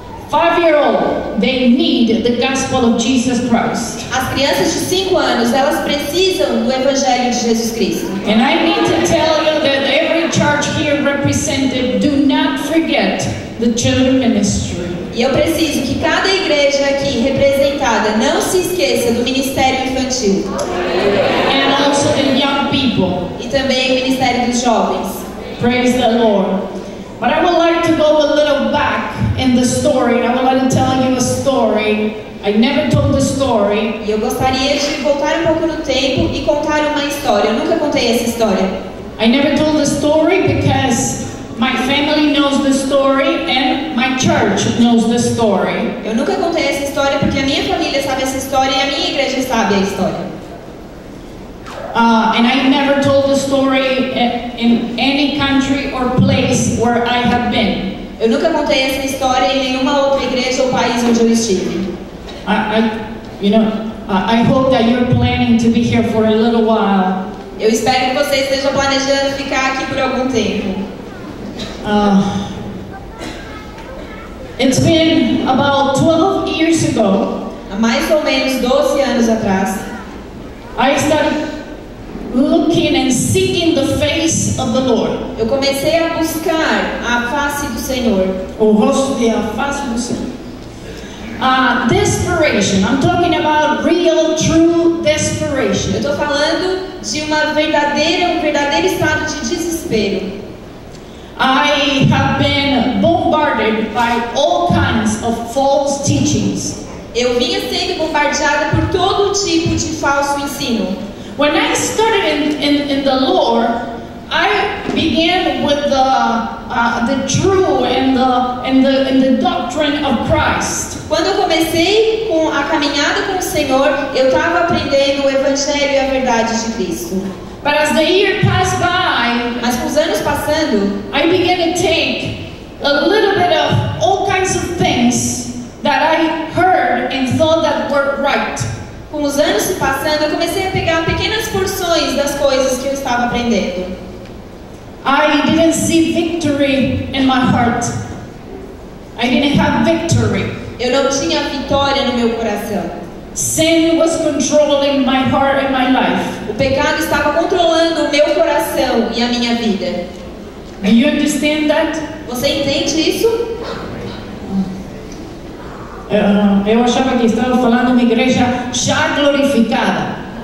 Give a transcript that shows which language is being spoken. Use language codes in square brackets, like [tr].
[en] 5-year-old, they need the gospel of Jesus Christ. [pt] As crianças de 5 anos, elas precisam do evangelho de Jesus Cristo. [en] And I need to tell you that every church here represented, do not forget the children ministry. [pt] E eu preciso que cada igreja aqui representada não se esqueça do ministério infantil. [en] And also the young people. [pt] E também o ministério dos jovens. [en] Praise the Lord. But I would like to go a little back in the story, and I would like to tell you a story. I never told the story. [pt] E eu gostaria de voltar um pouco no tempo e contar uma história. Eu nunca contei essa história. [en] I never told the story because my family knows the story and my church knows the story. [pt] Eu nunca contei essa história porque a minha família sabe essa história e a minha igreja sabe a história. [en] And I never told the story in any country or place where I have been. [pt] Eu nunca contei essa história em nenhuma outra igreja ou país onde eu estive. [en] I hope that you're planning to be here for a little while. [pt] Eu espero que você esteja planejando ficar aqui por algum tempo. [en] It's been about 12 years ago. [pt] Há mais ou menos 12 anos atrás. [en] I started looking and seeking the face of the Lord. [pt] Eu comecei a buscar a face do Senhor. O rosto e a face do Senhor. [en] Desperation. I'm talking about real, true desperation. [pt] Eu estou falando de um verdadeiro estado de desespero. [en] I have been bombarded by all kinds of false teachings. [pt] Eu vinha sendo bombardeada por todo tipo de falso ensino. [en] When I started in the Lord, I began with the true and the doctrine of Christ. [pt] Quando eu comecei com a caminhada com o Senhor, eu estava aprendendo o evangelho e a verdade de Cristo. [en] But as the year passed by, [pt] mas com os anos passando, [en] I began to take a little bit of all kinds of things that I heard and thought that were right. [pt] Com os anos se passando, eu comecei a pegar pequenas porções das coisas que eu estava aprendendo. [en] I didn't see victory in my heart. I didn't have victory. [pt] Eu não tinha vitória no meu coração. [en] Sin was controlling my heart and my life. [pt] O pecado estava controlando o meu coração e a minha vida. [en] Do you understand that? [pt] Você entende isso? Eu achava que estava falando de uma igreja já glorificada.